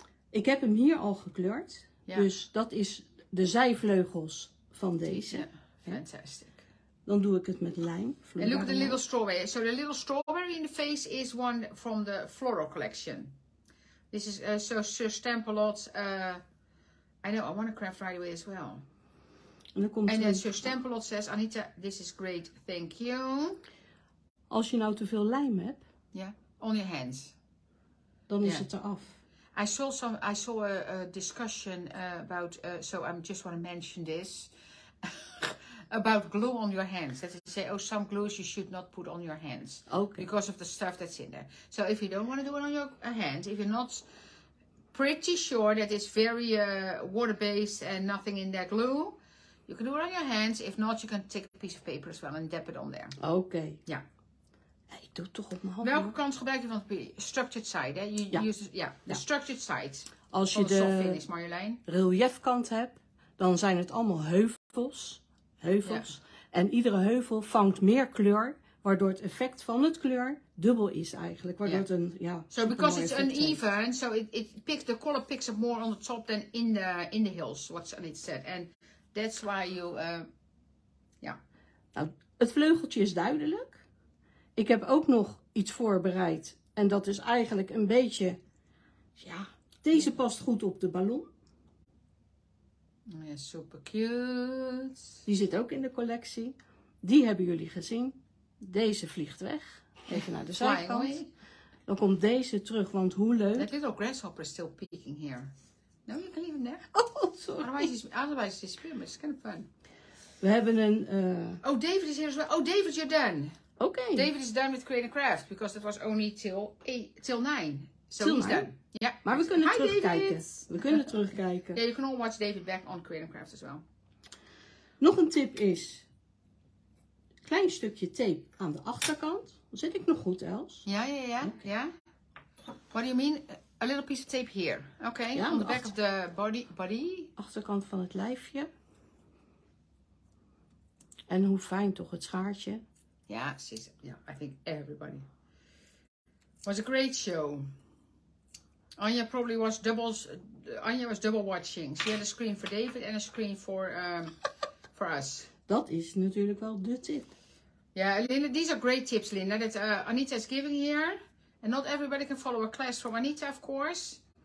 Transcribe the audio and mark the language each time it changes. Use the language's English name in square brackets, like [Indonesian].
[Dutch] Ik heb hem hier al gekleurd. Yeah. Dus dat is de zijvleugels van deze. [English] Fantastic. [Dutch] Dan doe ik het met lijm. [English] And look at the little strawberry. So the little strawberry in the face is one from the floral collection. This is so stamp a lot. I know I want to craft right away as well. [Dutch] En dan komt [English] and then so stamp a lot says, Anita, this is great, thank you. [Dutch] Als je nou te veel lijm hebt. [English] Ja, yeah. On your hands. [Dutch] Dan yeah. Is het eraf. [English] I saw a discussion about, so I just want to mention this. About glue on your hands. That is to say, oh, some glues you should not put on your hands. Okay. Because of the stuff that's in there. So if you don't want to do it on your hands, if you're not pretty sure that it's very water-based and nothing in that glue, you can do it on your hands. If not, you can take a piece of paper as well and dab it on there. Okay. Yeah. [Dutch] Ik doe het toch op mijn handen. Welke kant gebruik je van de structured side? Hè? De structured side. Als je de finish, Marjolein. Relief kant hebt, dan zijn het allemaal heuvels. Heuvels. Ja. En iedere heuvel vangt meer kleur, waardoor het effect van het kleur dubbel is eigenlijk. Waardoor ja. Het een, ja, [English] so because it's uneven, heeft. So the color picks up more on the top than in the hills, what Anita said. And that's why you, [Dutch] Nou, het vleugeltje is duidelijk. Ik heb ook nog iets voorbereid. En dat is eigenlijk een beetje, ja, deze past goed op de ballon. Ja, super cute. Die zit ook in de collectie. Die hebben jullie gezien. Deze vliegt weg. Even naar de zijkant. Dan komt deze terug, want hoe leuk. [English] That little grasshopper is still peeking here. No, you can leave him there. Oh, sorry. Otherwise it's pretty much kind of fun. [Dutch] We hebben een... [English] Oh, David is here as well. Oh, David, you're done. Oké. Okay. David is done with Creating Craft, because it was only till 9. So till he's 9. Done. [Dutch] Ja, maar we kunnen terugkijken. We kunnen terugkijken. [English] Ja, yeah, you can all watch David back on Creative Craft as well. [Dutch] Nog een tip is, klein stukje tape aan de achterkant. Dan zit ik nog goed, Els. [English] Ja, ja, ja. Ja. What do you mean? A little piece of tape here. Oké, okay. Ja, on the back of the body. [Dutch] Achterkant van het lijfje. En hoe fijn toch het schaartje. Ja, precies. [English] Ja, I think everybody. It was a great show. Anya probably was double watching. She had a screen for David and a screen for us. [Dutch] Dat is natuurlijk wel de tip. [English] Yeah, Linda, these are great tips, Linda, that Anita is giving here. And not everybody can follow a class from Anita, of course.